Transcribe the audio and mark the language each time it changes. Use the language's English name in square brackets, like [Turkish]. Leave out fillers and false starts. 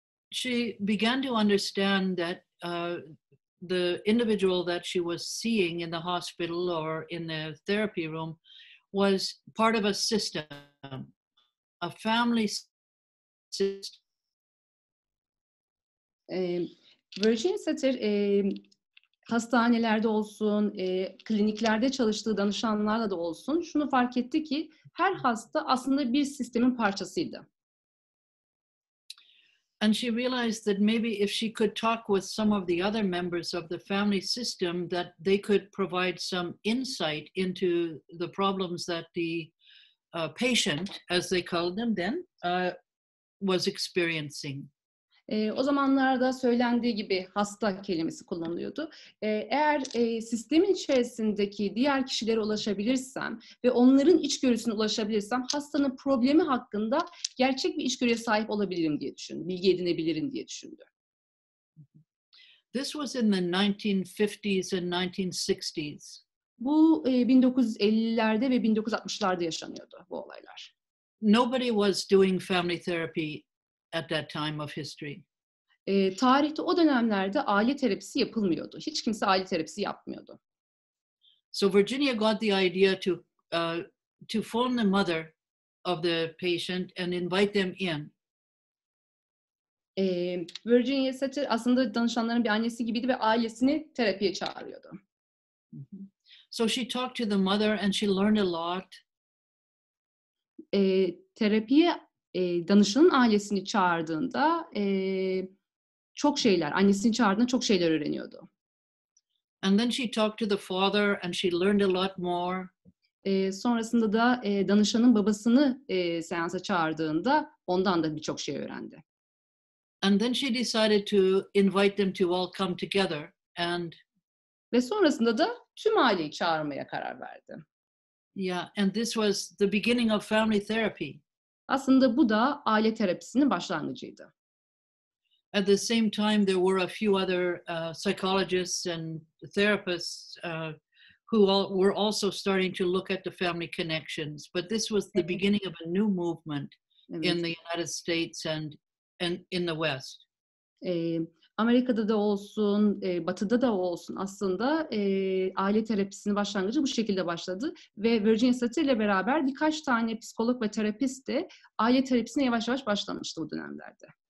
[English] She began to understand that the individual that she was seeing in the hospital or in the therapy room was part of a system, a family system. [Turkish] Virginia Satir hastanelerde olsun, kliniklerde çalıştığı danışanlarla da olsun şunu fark etti ki her hasta aslında bir sistemin parçasıydı. [English] And she realized that maybe if she could talk with some of the other members of the family system that they could provide some insight into the problems that the patient, as they called them then, was experiencing. [Turkish] O zamanlarda söylendiği gibi hasta kelimesi kullanılıyordu. Eğer sistemin içerisindeki diğer kişilere ulaşabilirsem ve onların içgörüsüne ulaşabilirsem hastanın problemi hakkında gerçek bir içgörüye sahip olabilirim diye düşündü. Bilgi edinebilirim diye düşündü. [English] This was in the 1950s and 1960s. [Turkish] Bu 1950'lerde ve 1960'larda yaşanıyordu bu olaylar. [English] Nobody was doing family therapy at that time of history. [Turkish] Tarihte o dönemlerde aile terapisi yapılmıyordu. Hiç kimse aile terapisi yapmıyordu. [English] So Virginia got the idea to phone the mother of the patient and invite them in. [Turkish] Virginia Satir aslında danışanların bir annesi gibiydi ve ailesini terapiye çağırıyordu. [English] So she talked to the mother and she learned a lot. [Turkish] Terapiye danışanın ailesini çağırdığında çok şeyler, annesini çağırdığında çok şeyler öğreniyordu. [English] And then she talked to the father and she learned a lot more. [Turkish] Sonrasında da danışanın babasını seansa çağırdığında ondan da birçok şey öğrendi. [English] And then she decided to invite them to all come together and [Turkish] ve sonrasında da tüm aileyi çağırmaya karar verdi. [English] Yeah, and this was the beginning of family therapy. [Turkish] Aslında bu da aile terapisinin başlangıcıydı. [English] At the same time there were a few other psychologists and therapists who were also starting to look at the family connections, but this was the beginning of a new movement in the United States and in the West. [Turkish] Amerika'da da olsun, Batı'da da olsun aslında aile terapisinin başlangıcı bu şekilde başladı. Ve Virginia Satir ile beraber birkaç tane psikolog ve terapist de aile terapisine yavaş yavaş başlamıştı bu dönemlerde.